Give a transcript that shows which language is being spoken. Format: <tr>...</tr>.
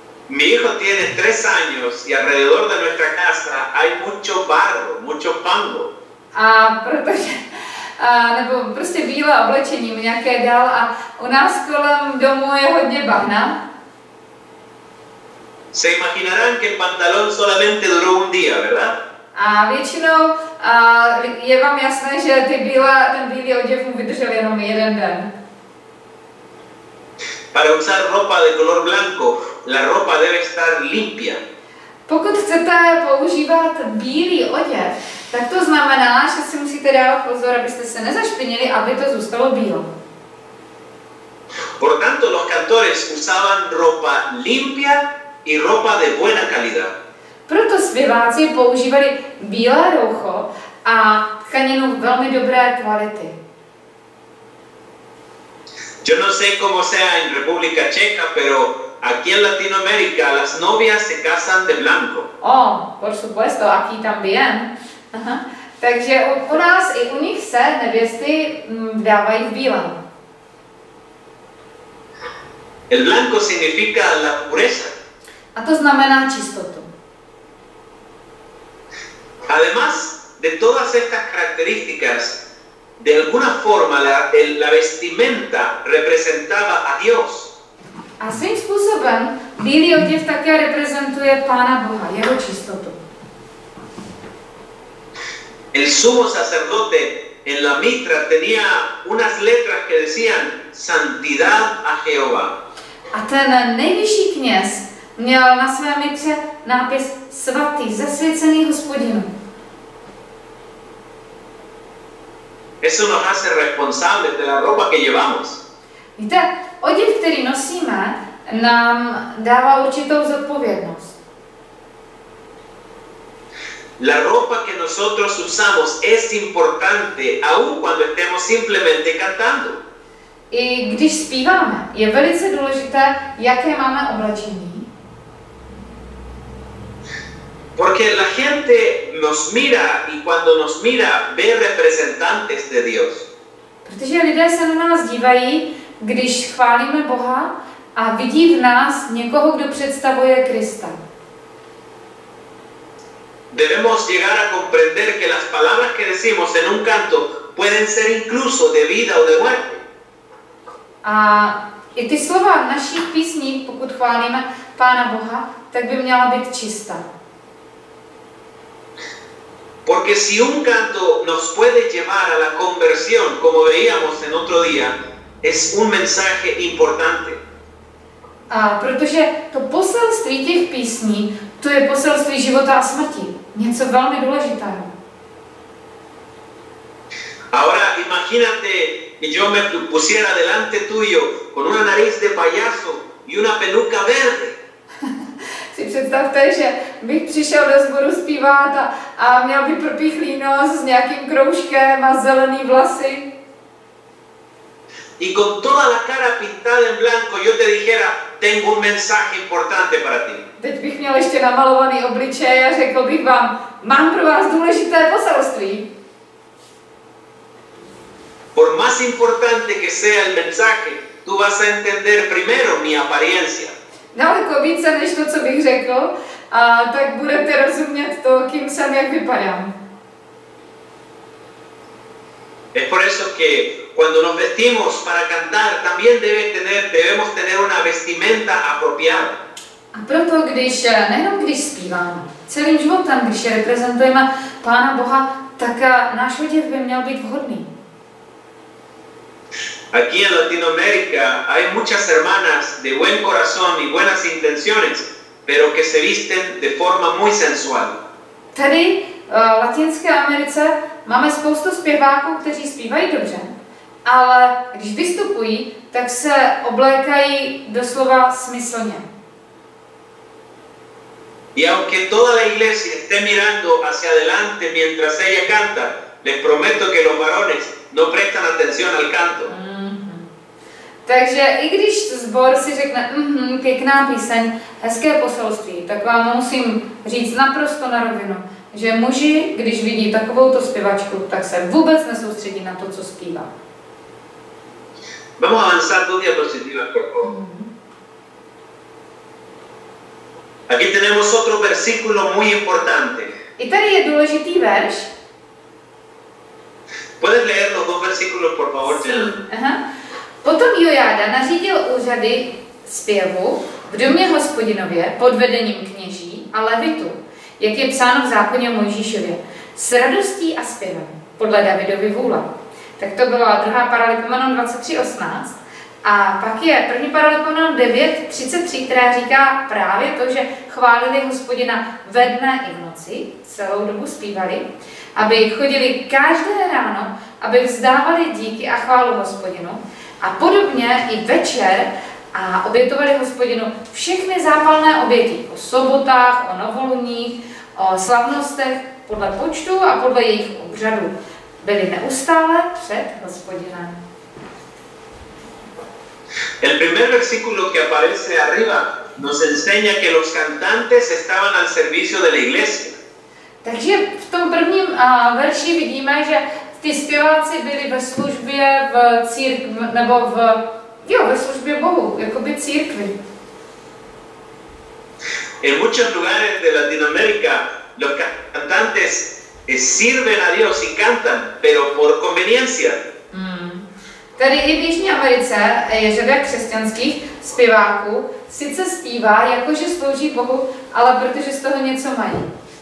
<es>Mi hijo tiene 3 años y alrededor de nuestra casa hay mucho barro, mucho fango.</es> <cs>A protože nebo prostě bílé oblečení mi nějaké dal a u nás kolem domu je hodně bahna.</cs> <es>Se imaginarán que el pantalón solamente duró un día, ¿verdad?</es> <cs>A většinou je vám jasné, že ten bílý oděv mu vydržel jenom jeden den.</cs> <es>Para usar ropa de color blanco, la ropa debe estar limpia.</es> <cs>Pokud chcete používat bílý oděv, tak to znamená, že si musíte dávat pozor, abyste se nezašpinili, aby to zůstalo bílo.</cs> <es>Por tanto, los cantores usaban ropa limpia y ropa de buena calidad.</es> <cs>Proto zpěváci používali bílé roucho a tkaninu velmi dobré kvality.</cs> <es>Yo no sé cómo sea en República Checa, pero aquí en Latinoamérica las novias se casan de blanco. Oh, por supuesto, aquí también. Aha.</es> <cs>Takže u nás i u nich se nevěsty dávají v bílém.</cs> <es>El blanco significa la pureza.</es> <cs>A to znamená čistotu.</cs> <es>Además de todas estas características, de alguna forma la vestimenta representaba a Dios.</es> <cs>A svým způsobem bílý oděv také reprezentuje Pána Boha, jeho čistotu.</cs> <es>El sumo sacerdote en la mitra tenía unas letras que decían santidad a Jehová.</es> <cs>A ten nejvyšší kněz měl na své mitře nápis svatý, zasvěcený Hospodinu.</cs> <es>Eso nos hace responsables de la ropa que llevamos.</es> <cs>Víte, oděv, který nosíme, nám dává určitou zodpovědnost.</cs> <es>La ropa que nosotros usamos es importante, aun cuando estemos simplemente cantando.</es> <cs>I když zpíváme, je velice důležité, jaké máme oblečení.</cs> <es>Porque la gente nos mira y cuando nos mira ve representantes de Dios.</es> <cs>Protože lidé se na nás dívají, když chválíme Boha, a vidí v nás někoho, kdo představuje Krista.</cs> <es>Debemos llegar a comprender que las palabras que decimos en un canto pueden ser incluso de vida o de muerte.</es> <cs>A i ty slova v našich písních, pokud chválíme Pána Boha, tak by měla být čistá.</cs> <es>Porque si un canto nos puede llevar a la conversión, como veíamos en otro día, es un mensaje importante.</es> <cs>A protože to poselství těch písní, to je poselství života a smrti, něco velmi důležitého.</cs> <es>Ahora imagínate que yo me pusiera delante tuyo con una nariz de payaso y una peluca verde.</es> <cs>Si představte, že bych přišel do sboru zpívat a měl by propíchlý nos s nějakým kroužkem a zelený vlasy.</cs> <es>Y con toda la cara pintada en blanco yo te dijera, tengo un mensaje importante para ti.</es> <cs>Teď bych měl ještě namalovaný obličej a řekl bych vám, mám pro vás důležité poselství.</cs> <es>Por más importante que sea el mensaje, tú vas a entender primero mi apariencia.</es> <cs>Daleko více než to, co bych řekl, a tak budete rozumět to, kým jsem, jak vypadám.</cs> <es>Es por eso que cuando nos vestimos para cantar, también debemos tener una vestimenta apropiada.</es> <cs>A proto, když, nejenom když zpíváme, celým životem, když reprezentujeme Pána Boha, tak náš oděv by měl být vhodný.</cs> <es>Aquí en Latinoamérica hay muchas hermanas de buen corazón y buenas intenciones, pero que se visten de forma muy sensual.</es> <cs>Tady v Latinské Americe máme spoustu zpěváků, kteří zpívají dobře, ale když vystupují, tak se oblékají doslova smyslně.</cs> <es>Y aunque toda la iglesia esté mirando hacia adelante mientras ella canta, les prometo que los varones no prestan atención al canto.</es> <cs>Takže i když zbor si řekne, pěkná píseň, hezké poselství, tak vám musím říct naprosto na rovinu, že muži, když vidí takovouto zpěvačku, tak se vůbec nesoustředí na to, co zpívá.</cs> <es>Vamos a avanzar dos diapositivas, por favor. Aquí tenemos otro versículo muy importante.</es> <cs>I tady je důležitý verš.</cs> <es>¿Puedes leer los dos versículos, por favor,</es> <cs>Jen? Potom Jojáda nařídil úřady zpěvu v domě hospodinově pod vedením kněží a levitu, jak je psáno v zákoně Mojžíšově, s radostí a zpěvem, podle Davidovy vůle. Tak to byla druhá paralipomenon 23.18. A pak je první paralipomenon 9.33, která říká právě to, že chválili hospodina ve dne i v noci, celou dobu zpívali, aby chodili každé ráno, aby vzdávali díky a chválu hospodinu, a podobně i večer a obětovali hospodinu všechny zápalné oběti o sobotách, o novoluních, o slavnostech podle počtu a podle jejich obřadů. Byli neustále před hospodinem.</cs> <es>El primer versículo que aparece arriba nos enseña que los cantantes estaban al servicio de la iglesia.</es> <cs>Takže v tom prvním verši vidíme, že ty zpěváci byli ve službě v církvi, nebo v, jo, ve službě Bohu, jakoby církvi.</cs> <es>En muchos lugares de Latinoamérica los cantantes sirven a Dios y cantan, pero por conveniencia.</es> <cs>Tady i v Jižní Americe je řada křesťanských zpěváků, sice zpívá, jakože slouží Bohu, ale protože z toho něco mají.</cs>